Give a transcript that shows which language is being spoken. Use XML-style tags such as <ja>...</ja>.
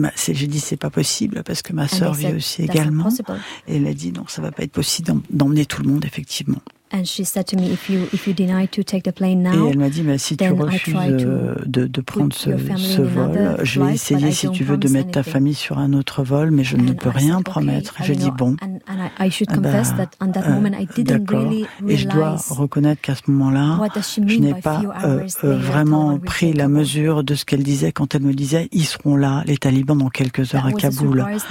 <fr>J'ai dit c'est pas possible parce que ma sœur vit aussi également. Et elle a dit non, ça va pas être possible d'emmener tout le monde effectivement.</fr> <en>And she said to me, if you deny to take the plane now,</en> <fr>et elle m'a dit, mais si tu refuses de prendre ce vol, je vais essayer, si tu veux, de mettre ta famille sur un autre vol, mais je ne peux rien promettre. J'ai dit bon. D'accord. Et je dois reconnaître qu'à ce moment-là, je n'ai pas vraiment pris la mesure de ce qu'elle disait quand elle me disait, ils seront là, les talibans, dans quelques heures à Kaboul.</fr>